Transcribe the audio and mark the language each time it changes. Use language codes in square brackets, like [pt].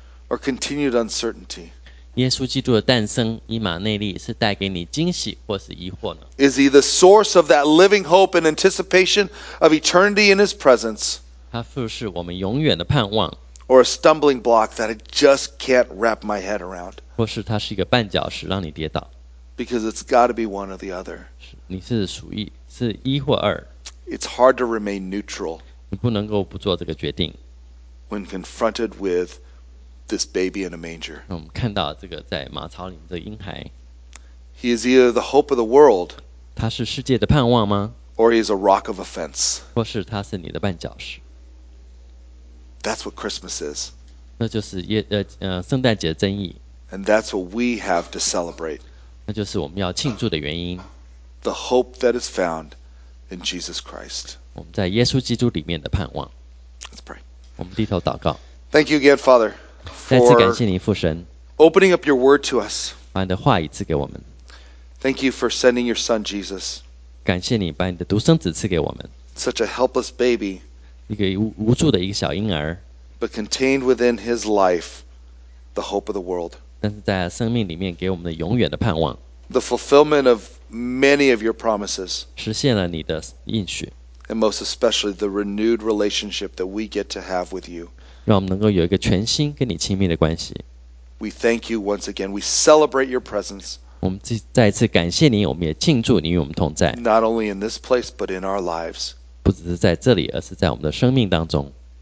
[en] Or continued uncertainty. [zh] 耶稣基督的诞生，以马内利，是带给你惊喜或是疑惑呢？ [en] Is he the source of that living hope and anticipation of eternity in his presence? [zh] 他是不是我们永远的盼望？ [en] Or a stumbling block that I just can't wrap my head around? [zh] 或是他是一个绊脚石，让你跌倒？ [en] Because it's got to be one or the other. [zh] 你是属于是一或二？ [en] It's hard to remain neutral. [zh] 你不能够不做这个决定。 [en] When confronted with This baby in a manger. [zh] 我们看到这个在马槽里的婴孩。 [en] He is either the hope of the world. [zh] 他是世界的盼望吗？ [en] Or he is a rock of offense. [zh] 或是他是你的绊脚石。 [en] That's what Christmas is. [zh] 那就是圣诞节的真意。 [en] And that's what we have to celebrate. [zh] 那就是我们要庆祝的原因。 [en] The hope that is found in Jesus Christ. [zh] 我们在耶稣基督里面的盼望。 [en] Let's pray. [zh] 我们低头祷告。 [en] Thank you again, Father. [zh] 再次感谢你父神 [en] opening up your word to us [zh] 把你的话语赐给我们 [en] thank you for sending your son Jesus [zh] 感谢你把你的独生子赐给我们 [en] such a helpless baby [zh] 一个无助的一个小婴儿 [en] but contained within his life the hope of the world. [zh] 但是在生命里面给我们的永远的盼望。 [en] The fulfillment of many of your promises. [zh] 实现了你的应许。 [en] And most especially the renewed relationship that we get to have with you. [zh] 让我们能够有一个全新跟你亲密的关系。 [en] We thank you once again. We celebrate your presence. [zh] 我们再次感谢你，我们也庆祝你与我们同在。 [en] Not only in this place, but in our lives. [zh] 不只是在这里，而是在我们的生命当中。